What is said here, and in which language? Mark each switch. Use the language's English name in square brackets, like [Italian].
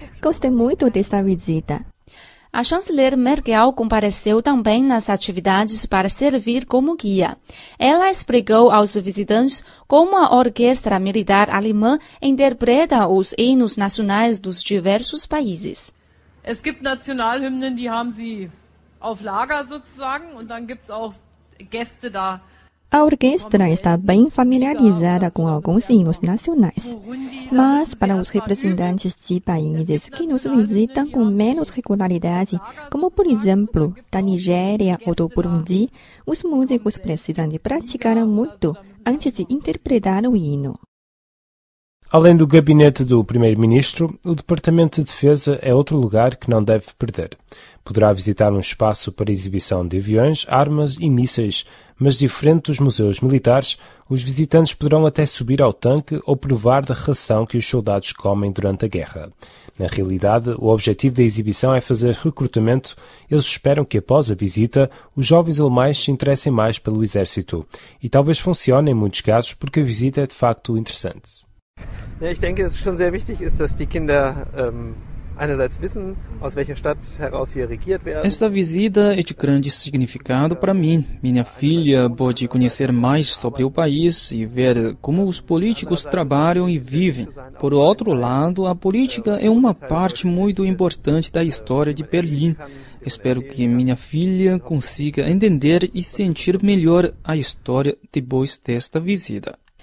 [Portuguese] Gostei muito desta visita. A chanceler Merkel compareceu também nas atividades para servir como guia. Ela explicou aos visitantes como a orquestra militar alemã interpreta os hinos nacionais dos diversos países. [German] Es gibt Nationalhymnen, die haben sie auf Lager sozusagen, und dann gibt's auch Gäste da. [Portuguese] A orquestra está bem familiarizada com alguns hinos nacionais, mas para os representantes de países que nos visitam com menos regularidade, como por exemplo da Nigéria ou do Burundi, os músicos precisam de praticar muito antes de interpretar o hino. Além do gabinete do primeiro-ministro, o Departamento de Defesa é outro lugar que não deve perder. Poderá visitar um espaço para exibição de aviões, armas e mísseis, mas diferente dos museus militares, os visitantes poderão até subir ao tanque ou provar da ração que os soldados comem durante a guerra. Na realidade, o objetivo da exibição é fazer recrutamento. Eles esperam que, após a visita, os jovens alemães se interessem mais pelo exército. E talvez funcione em muitos casos, porque a visita é de facto interessante. [German] Ich denke, es ist schon sehr wichtig, ist, dass die Kinder einerseits wissen, aus welcher Stadt heraus hier regiert werden. [Portuguese] Esta visita é de grande significado para mim. Minha filha pode conhecer mais sobre o país e ver como os políticos trabalham e vivem. Por outro lado, a política é uma parte muito importante da história de Berlim. Espero que minha filha consiga entender e sentir melhor a história depois desta visita.